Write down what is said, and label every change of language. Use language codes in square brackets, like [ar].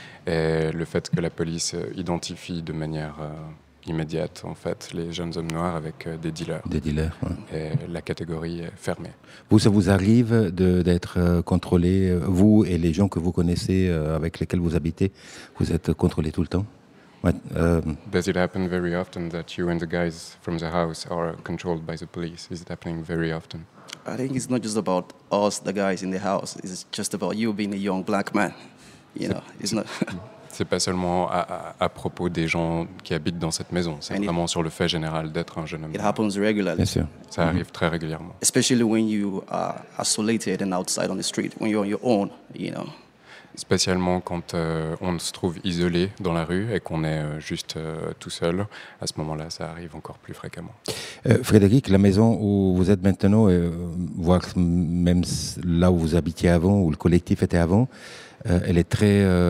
[fr] Et le fait que la police identifie de manière immédiate, en fait, les jeunes hommes noirs avec des dealers. Des dealers, ouais. Et la catégorie est fermée. Vous, ça vous arrive d'être contrôlé, vous et les gens que vous connaissez, avec lesquels vous habitez, vous êtes contrôlé tout le temps? [en] Does it happen very often that you and the guys from the house are controlled by the police? Is it happening very often? I think it's not just about us, the guys in the house. It's just about you being a young black man. You know, it's not... [fr] C'est pas seulement à propos des gens qui habitent dans cette maison, c'est vraiment sur le fait général d'être un jeune homme. [en] It happens regularly. [fr] Bien sûr. Ça arrive très régulièrement. [en] Especially when you are isolated and outside on the street, when you're on your own, you know. [fr] Spécialement quand on se trouve isolé dans la rue et qu'on est juste tout seul, à ce moment-là, ça arrive encore plus fréquemment. Frédéric, la maison où vous êtes maintenant, voire même là où vous habitiez avant, où le collectif était avant, elle est très...